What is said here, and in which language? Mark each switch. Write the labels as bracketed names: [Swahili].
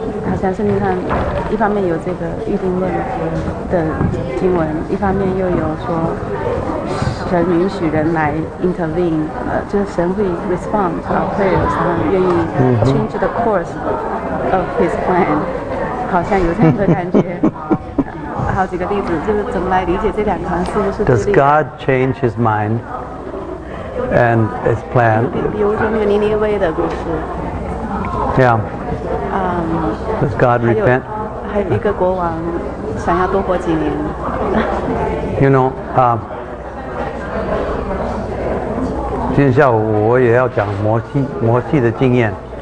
[Chinese] 好像圣经上一方面有这个预定论的经文，一方面又有说神允许人来 [English] intervene， [Chinese] 就是神会 [English] respond to our prayers， [Chinese] 他愿意 [English] change the course of his plan， [Chinese] 好像有这样的感觉。好几个例子，就是怎么来理解这两行是不是？ [English] Does God change his mind and his plan？ [Chinese] 比如说那个尼尼微的故事。 [English] Yeah。 Does God repent? [Chinese] 还有一个国王想要多活几年。 [English] You know, [Chinese] 今天下午我也要讲摩西的经验。